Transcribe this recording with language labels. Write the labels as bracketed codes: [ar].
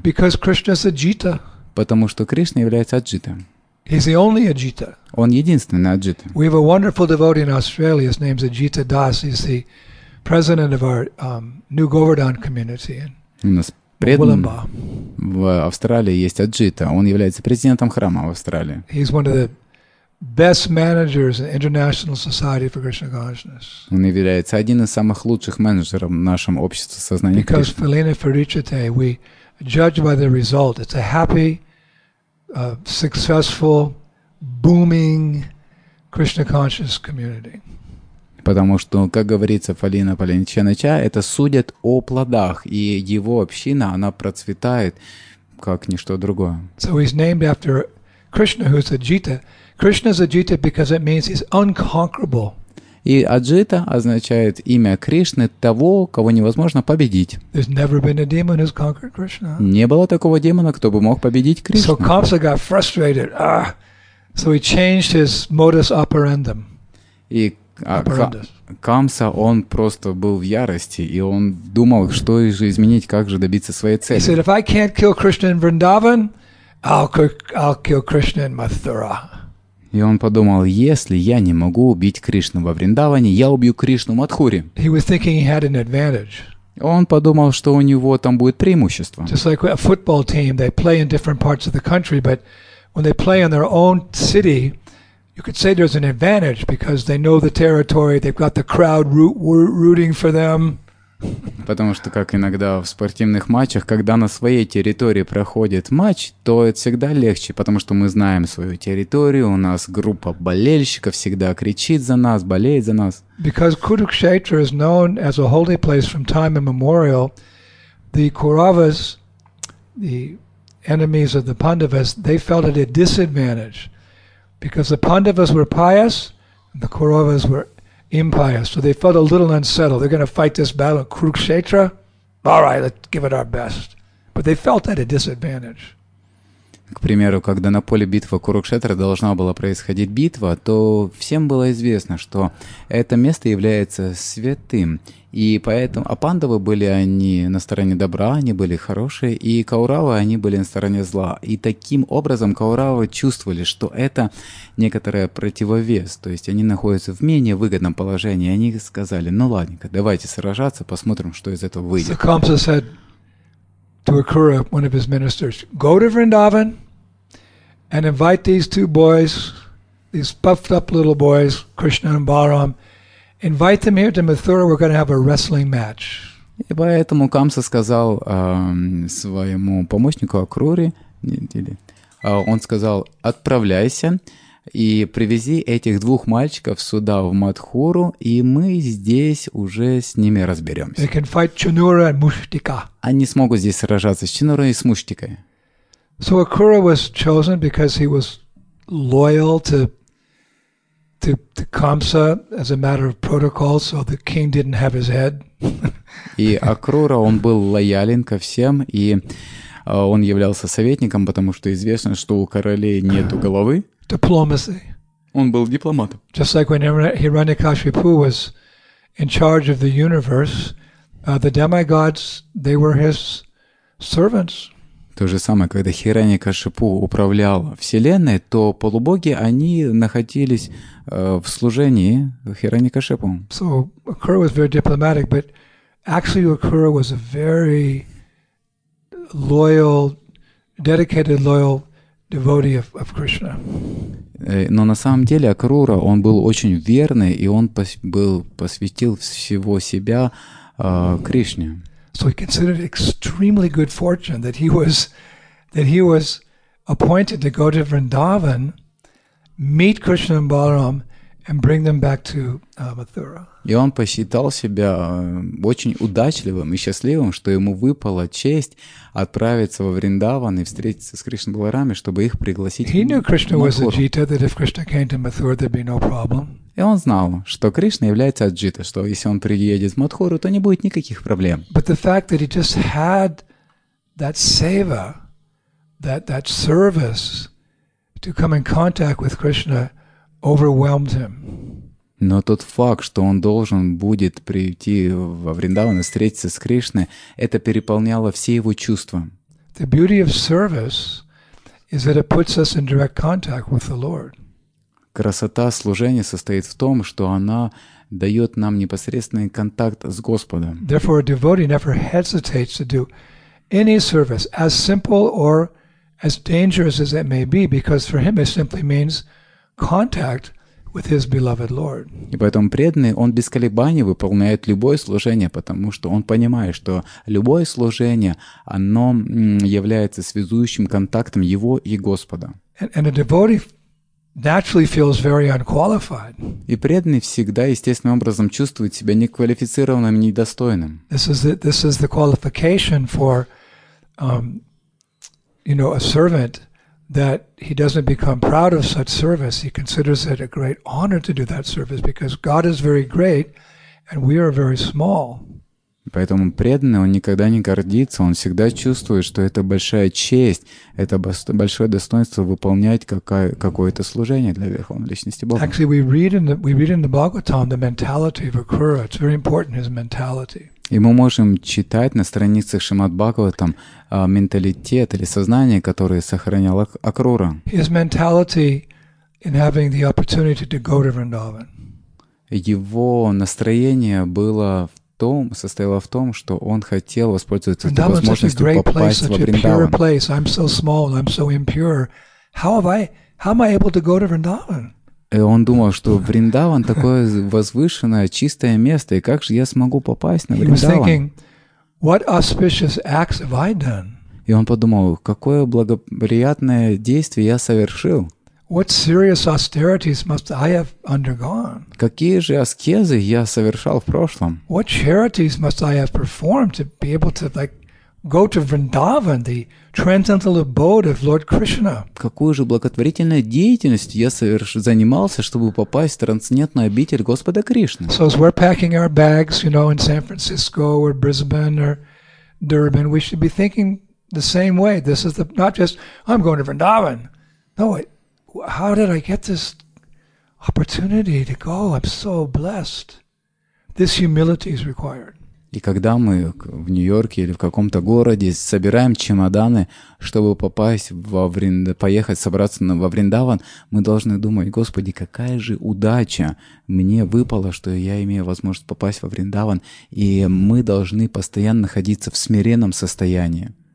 [en] Because Krishna is Ajita. [ru] Потому что Кришна является Аджита. [en] He's the only Ajita. [ru] Он единственный Аджита. [en] We have a wonderful devotee in Australia. His name is Ajita Das. He's the president of our New Govardhan community. [ru] У нас предан в Австралии есть Аджита. Он является президентом храма в Австралии. [en] He's one of the best managers in International Society for Krishna Consciousness. [ru] Он является одним из самых лучших менеджеров в нашем обществе сознания Кришны. [en] Because Felina Ferichite, we judge by the result. It's a happy, successful, booming Krishna conscious community. [ru] Потому что, как говорится, Фалина Паленчанача, это судят о плодах, и его община, она процветает, как ничто другое. [en] So he's named after Krishna, who's Ajita. Krishna's Ajita because it means he's unconquerable. [ru] И Аджита означает имя Кришны того, кого невозможно победить. [en] There's never been a demon who's conquered Krishna. [ru] Не было такого демона, кто бы мог победить Кришну. [en] So Kamsa got frustrated. Ah! So he changed his modus operandi. [ru] И Камса, он просто был в ярости, и он думал, что же изменить, как же добиться своей цели. [en] He said, if I can't kill Krishna in Vrindavan, I'll kill Krishna in Mathura. [ru] И он подумал, если я не могу убить Кришну во Вриндаване, я убью Кришну в Мадхуре. [en] He was thinking he had an advantage. [ru] Он подумал, что у него там будет преимущество. [en] Just like a football team, they play in different parts of the country, but when they play in their own city, you could say there's an advantage because they know the territory, they've got the crowd rooting for them. [ru] Потому что, как иногда в спортивных матчах, когда на своей территории проходит матч, то это всегда легче, потому что мы знаем свою территорию, у нас группа болельщиков всегда кричит за нас, болеет за нас. [en] Because Kurukshetra is known as a holy place from time immemorial, the Kauravas, the enemies of the Pandavas, they felt at a disadvantage. Because the Pandavas were pious, and the Kauravas were impious, so they felt a little unsettled. They're going to fight this battle at Kurukshetra. All right, let's give it our best. But they felt at a disadvantage. [ru] К примеру, когда на поле битвы Курукшетра должна была происходить битва, то всем было известно, что это место является святым. И поэтому, а пандавы были они на стороне добра, они были хорошие, и кауравы, они были на стороне зла. И таким образом кауравы чувствовали, что это некоторое противовес, то есть они находятся в менее выгодном положении. И они сказали, ну ладненько, давайте сражаться, посмотрим, что из этого выйдет. [en] To Akura, one of his ministers, go to Vrindavan and invite these two boys, these puffed up little boys, Krishna and Balaram, invite them here to Mathura, we're going to have a wrestling match. [ru] И поэтому Камса сказал своему помощнику Акруре, он сказал, отправляйся и привези этих двух мальчиков сюда, в Мадхуру, и мы здесь уже с ними разберемся. [en] They can fight Chanura and Mushtika. [ru] Они смогут здесь сражаться с Чанурой и с Муштикой. [en] So Akura was chosen because he was loyal to Kamsa as a matter of protocol, so the king didn't have his head. [ru] И Акрура, он был лоялен ко всем, и он являлся советником, потому что известно, что у королей нету головы. [en] Diplomacy. [ru] Он был дипломатом. [en] Just like when Hiranyakashipu was in charge of the universe, the demigods, they were his servants. [ru] То же самое, когда Хираньякашипу управлял вселенной, то полубоги, они находились в служении Хираньякашипу. [en] So Akura was very diplomatic, but actually Akura was a very loyal, dedicated, loyal devotee of Krishna. [ru] Но на самом деле Акрура, он был очень верный, и он посвятил всего себя Кришне. [en] So he considered extremely good fortune that he was appointed to go to Vrindavan, meet Krishna and Balaram, and bring them back to Mathura. [ru] И он посчитал себя очень удачливым и счастливым, что ему выпала честь отправиться во Вриндаван и встретиться с Кришна Баларами, чтобы их пригласить. [en] He knew Krishna was Ajita, that if Krishna came to Mathura, there'd be no problem. [ru] И он знал, что Кришна является Аджита, что если он приедет в Матхуру, то не будет никаких проблем. [en] But the fact that he just had that seva, that service to come in contact with Krishna overwhelmed him. [ru] Но тот факт, что он должен будет прийти во Вриндаван и встретиться с Кришной, это переполняло все его чувства. [en] The beauty of service is that it puts us in direct contact with the Lord. [ru] Красота служения состоит в том, что она дает нам непосредственный контакт с Господом. [en] Therefore, a devotee never hesitates to do any service, as simple or as dangerous as it may be, because for him it simply means contact with his beloved Lord. [ru] И поэтому преданный, он без колебаний выполняет любое служение, потому что он понимает, что любое служение, оно является связующим контактом его и Господа. [en] And a devotee naturally feels very unqualified. [ru] И преданный всегда естественным образом чувствует себя неквалифицированным, недостойным. [en] This is the qualification for a servant, that he doesn't become proud of such service. He considers it a great honor to do that service because God is very great and we are very small. [ru] Поэтому преданный, он никогда не гордится, он всегда чувствует, что это большая честь, это большое достоинство выполнять какое-то служение для Верховной Личности Бога. [en] Actually, we read in the Bhagavatam the mentality of Akura. It's very important, his mentality. [ru] И мы можем читать на страницах Шримад Бхагаватам менталитет или сознание, которое сохранял Акрура. [en] His mentality in having the opportunity to go to Vrindavan. [ru] Его настроение было в том, состояло в том, что он хотел воспользоваться этой возможностью попасть во Вриндаван. [en] Vrindavan is such a great place, such a pure place. I'm so small, I'm so impure. How am I able to go to Vrindavan? [ru] И он думал, что Вриндаван — такое возвышенное, чистое место, и как же я смогу попасть на Вриндаван? [en] He was thinking, what auspicious acts have I done? [ru] И он подумал, какое благоприятное действие я совершил. [en] What serious austerities must I have undergone? [ru] Какие же аскезы я совершал в прошлом? [en] What charities must I have performed to be able to, like, go to Vrindavan, the transcendental abode of Lord Krishna. [ru] Какую же благотворительную деятельность я занимался, чтобы попасть в трансцендентную обитель Господа Кришны? [en] So as we're packing our bags, you know, in San Francisco or Brisbane or Durban, we should be thinking the same way. This is the not just I'm going to Vrindavan. No, wait, how did I get this opportunity to go? I'm so blessed. This humility is required. [ru] И когда мы в Нью-Йорке или в каком-то городе собираем чемоданы, чтобы попасть собраться во Вриндаван, мы должны думать, Господи, какая же удача мне выпала, что я имею возможность попасть во Вриндаван, и мы должны постоянно находиться в смиренном состоянии.